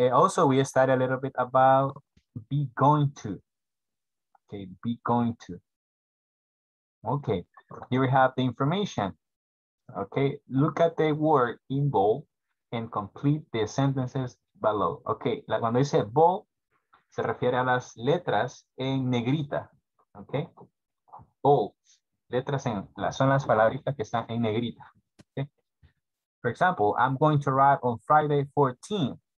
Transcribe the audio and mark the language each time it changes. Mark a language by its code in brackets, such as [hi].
[en] Also, we started a little bit about be going to. Okay, be going to. Okay, here we have the information. Okay, look at the word in bold and complete the sentences below. [es] Okay, like cuando dice bold, se refiere a las letras en negrita. Okay, bold, letras en, son las palabritas que están en negrita. [en] Okay, for example, I'm going to arrive on Friday 14th.